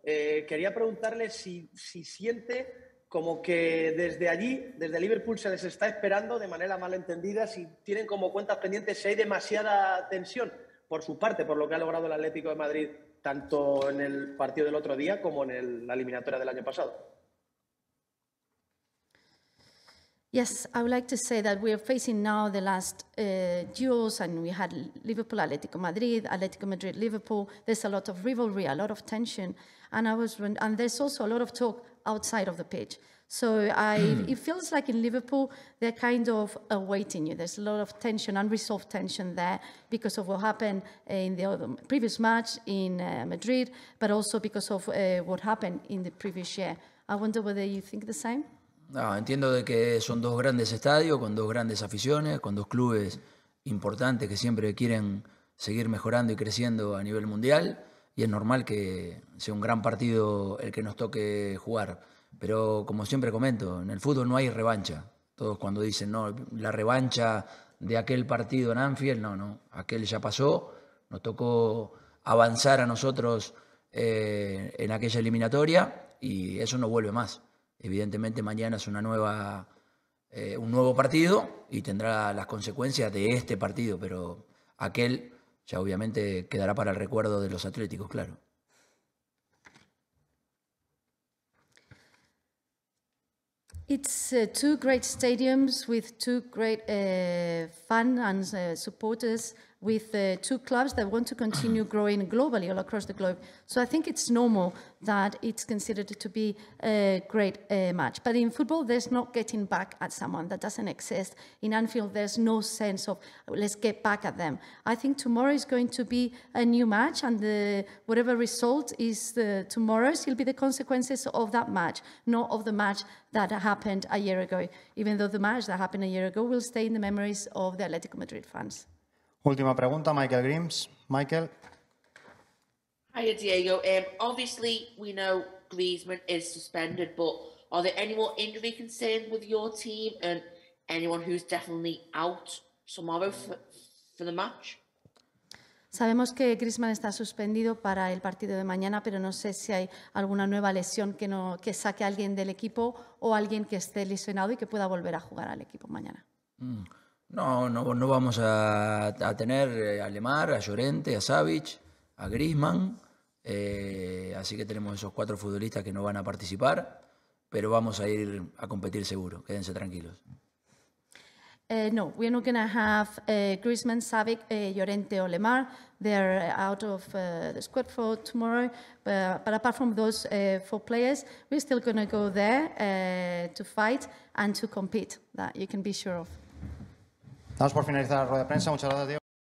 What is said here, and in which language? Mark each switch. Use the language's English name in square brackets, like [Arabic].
[Spanish] Quería preguntarle si siente como que desde allí, desde Liverpool, se les está esperando de manera malentendida, si tienen como cuentas pendientes, si hay demasiada tensión por su parte, por lo que ha logrado el Atlético de Madrid, tanto en el partido del otro día como en la eliminatoria del año pasado. [English] Yes, I would like to say that we are facing now the last duels, and we had Liverpool, Atletico Madrid, Atletico Madrid, Liverpool. There's a lot of rivalry, a lot of tension, and there's also a lot of talk outside of the pitch. So it feels like in Liverpool they're kind of awaiting you. There's a lot of tension, unresolved tension there because of what happened in the previous match in Madrid, but also because of what happened in the previous year. I wonder whether you think the same. [Spanish] No, entiendo de que son dos grandes estadios, con dos grandes aficiones, con dos clubes importantes que siempre quieren seguir mejorando y creciendo a nivel mundial. Y es normal que sea un gran partido el que nos toque jugar. Pero como siempre comento, en el fútbol no hay revancha. Todos cuando dicen, no, la revancha de aquel partido en Anfield, no, no. Aquel ya pasó, nos tocó avanzar a nosotros en aquella eliminatoria y eso no vuelve más. Evidentemente mañana es un nuevo partido y tendrá las consecuencias de este partido, pero aquel ya obviamente quedará para el recuerdo de los atléticos, claro. [English] It's two great stadiums with two great fans and supporters, with two clubs that want to continue growing globally all across the globe. So I think it's normal that it's considered to be a great match. But in football, there's no getting back at someone. That doesn't exist. In Anfield, there's no sense of let's get back at them. I think tomorrow is going to be a new match, and whatever result is tomorrow's, it'll be the consequences of that match, not of the match that happened a year ago, even though the match that happened a year ago will stay in the memories of the Atletico Madrid fans. [Spanish] Última pregunta, Michael Grimes. Michael. [English] Hiya, Diego. Obviously, we know Griezmann is suspended, but are there any more injury concerns with your team and anyone who's definitely out tomorrow for the match? [Spanish] Sabemos que Griezmann está suspendido para el partido de mañana, pero no sé si hay alguna nueva lesión que saque a alguien del equipo o alguien que esté lesionado y que pueda volver a jugar al equipo mañana. No vamos a tener a Lemar, a Llorente, a Savic, a Griezmann. Así que tenemos esos cuatro futbolistas que no van a participar, pero vamos a ir a competir seguro. Quédense tranquilos. [English] No, we're not going to have Griezmann, Savic, Llorente o Lemar. They're out of the squad for tomorrow. But apart from those four players, we're still going to go there to fight and to compete. That you can be sure of. [Spanish] Damos por finalizada la rueda de prensa. Muchas gracias, Diego.